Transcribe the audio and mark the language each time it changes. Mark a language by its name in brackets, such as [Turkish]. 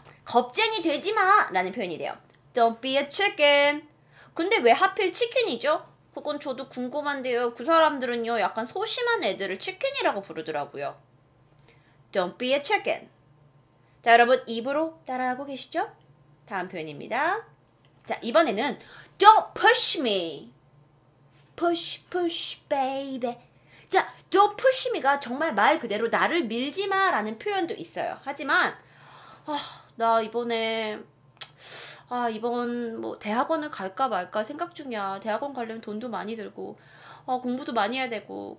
[Korean] 겁쟁이 되지 마 라는 표현이 돼요. [English] Don't be a chicken. [Korean] 근데 왜 하필 치킨이죠? 그건 저도 궁금한데요. 그 사람들은요, 약간 소심한 애들을 치킨이라고 부르더라고요. [English] Don't be a chicken. [Korean] 자, 여러분 입으로 따라하고 계시죠? 다음 표현입니다. 자, 이번에는 [English] Don't push me. Push, push, baby. [Korean] 자, [English] Don't push me [Korean] 가 정말 말 그대로 나를 밀지 마라는 표현도 있어요. 하지만 나 이번에 이번 뭐 대학원을 갈까 말까 생각 중이야. 대학원 가려면 돈도 많이 들고 공부도 많이 해야 되고.